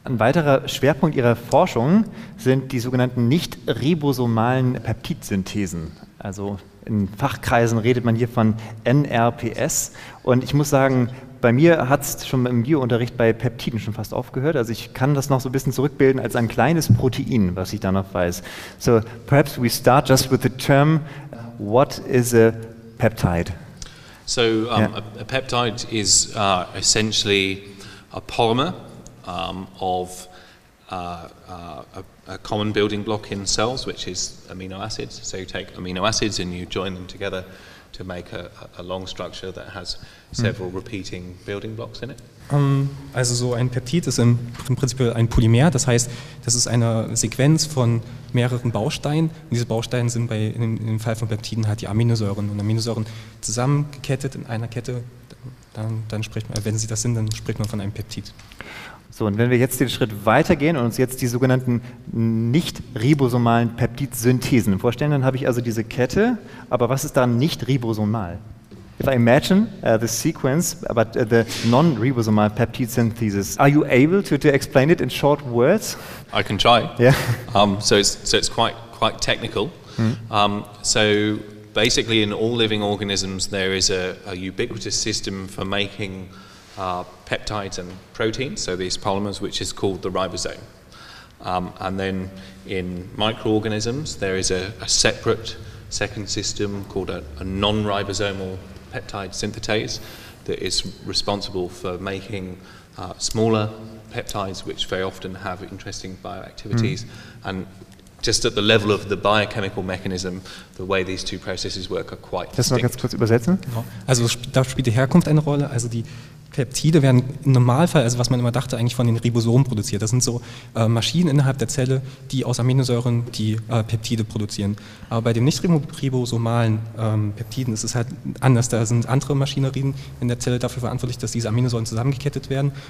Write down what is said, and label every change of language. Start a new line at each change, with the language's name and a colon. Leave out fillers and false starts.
German: Ein weiterer Schwerpunkt Ihrer Forschung sind die sogenannten nicht-ribosomalen Peptidsynthesen. Also in Fachkreisen redet man hier von NRPS. Und ich muss sagen, bei mir hat es schon im Biounterricht bei Peptiden schon fast aufgehört. Also ich kann das noch so ein bisschen zurückbilden als ein kleines Protein, was ich da noch weiß.
English: So perhaps we start just with the term, what is a peptide? So a peptide is essentially a polymer of a common building block in cells, which is amino acids. So you take amino acids and you join them together to make a long structure that has several repeating building blocks in it.
German: Also so ein Peptid ist im Prinzip ein Polymer, das heißt, das ist eine Sequenz von mehreren Bausteinen und diese Bausteine sind im Fall von Peptiden halt die Aminosäuren und Aminosäuren zusammengekettet in einer Kette, dann spricht man, wenn sie das sind, dann spricht man von einem Peptid. So, und wenn wir jetzt den Schritt weitergehen und uns jetzt die sogenannten nicht-ribosomalen Peptidsynthesen vorstellen, dann habe ich also diese Kette, aber was ist da nicht-ribosomal?
English: If I imagine the sequence, but the non-ribosomal peptide synthesis, are you able to explain it in short words? I can try. Yeah. So it's quite technical. Mm. So basically, in all living organisms, there is a ubiquitous system for making peptides and proteins. So these polymers, which is called the ribosome, and then in microorganisms, there is a separate second system called a non-ribosomal peptide synthetase that is responsible for making smaller peptides, which very often have interesting bioactivities. Mm. And just at the level of the biochemical mechanism, the way these two processes work are quite distinct.
German: Das noch ganz kurz übersetzen? Ja. Also da spielt die Herkunft eine Rolle. Also die Peptide werden im Normalfall, also was man immer dachte, eigentlich von den Ribosomen produziert. Das sind so Maschinen innerhalb der Zelle, die aus Aminosäuren die Peptide produzieren. Aber bei den nicht-ribosomalen Peptiden ist es halt anders. Da sind andere Maschinerien in der Zelle dafür verantwortlich, dass diese Aminosäuren zusammengekettet werden.